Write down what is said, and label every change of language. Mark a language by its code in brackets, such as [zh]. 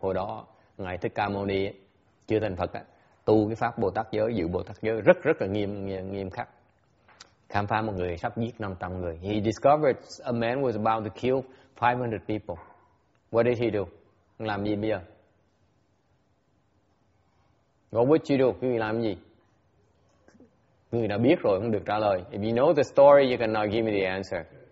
[vi] Hồi đó, Ngài Thích Ca Mâu Ni chưa thành Phật, tu cái pháp Bồ Tát giới, giữ Bồ Tát giới rất rất là nghiêm khắc. Khám phá một người sắp giết 500 người. [en] He discovered a man was about to kill 500 people. What did he do? [vi] Làm gì bây giờ? [en] What would you do? [vi] Quý vị làm gì? Người đã biết rồi không được trả lời. [en] If you know the story, you cannot give me the answer.